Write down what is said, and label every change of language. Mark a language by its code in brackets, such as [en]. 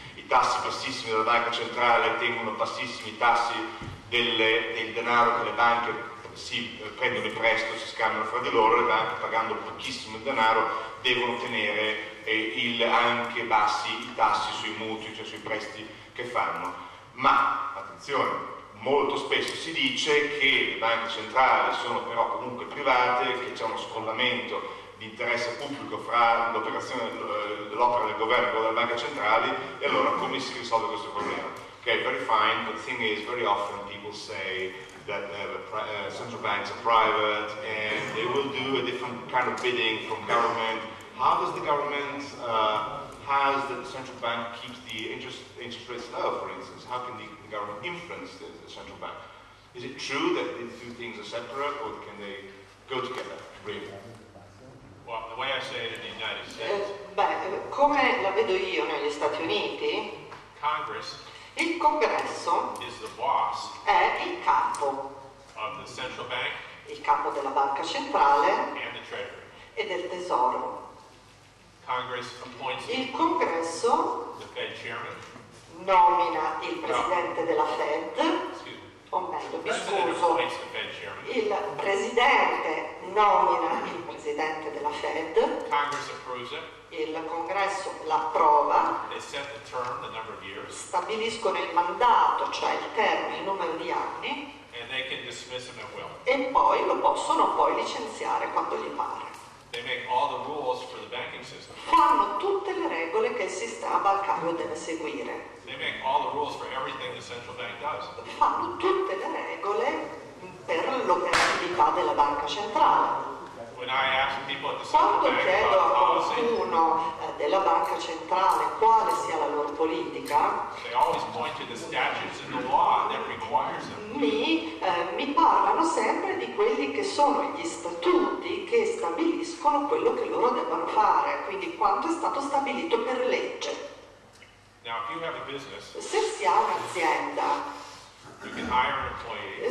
[it] I tassi bassissimi della Banca Centrale tengono bassissimi i tassi del denaro che le banche si prendono in prestito, si scambiano fra di loro, le banche pagando pochissimo il denaro devono tenere anche bassi i tassi sui mutui, cioè sui prestiti che fanno. Ma, attenzione, molto spesso si dice che le banche centrali sono però comunque private, che c'è uno scollamento di interesse pubblico fra l'opera del governo e quella delle banche centrali, e allora come si risolve questo problema? [en] Ok, very fine, but the thing is, very often people say that central banks are private and they will do a different kind of bidding from government. How does the government... How does the central bank keep the interest rates low, for instance? How can the government influence the central bank? Is it true that these two things are separate, or can they go together, really? Well, the way I say it in the United States. [it] Come la vedo io negli Stati Uniti? [en] Congress. [it] Il Congresso. [en] Is the boss. [it] È il capo. [en] Of the central bank. [it] Il capo della banca centrale. [en] And the treasury. [it] E del tesoro. [en] Congress appoints. [it] Il Congresso. [en] The Fed chairman. [it] Nomina il presidente della Fed. [en] Excuse me. [it] O meglio, mi scuso. [en] The Fed chairman. [it] Il presidente nomina il presidente della Fed. [en] Congress approves it. [it] Il Congresso l'approva. [en] They set the term, the number of years. [it] Stabiliscono il mandato, cioè il termine, il numero di anni. [en] And they can dismiss him at will. [it] E poi lo possono poi licenziare quando gli pare. [en] They make all the rules for the banking system. [it] Fanno tutte le regole che il sistema bancario deve seguire. [en] They make all the rules for everything the central bank does. [it] Fanno tutte le regole per l'operatività della banca centrale. [en] When I ask people at the central bank [it] chiedo [en] about [it] a qualcuno della banca centrale quale sia la loro politica, [en] they always point to the statutes and the law that requires them. [it] Mi parlano sempre di quelli che sono gli statuti che stabiliscono quello che loro devono fare, quindi quanto è stato stabilito per legge. [en] Now, if you have a business, [it] se si ha un'azienda, [en] you can hire an employee,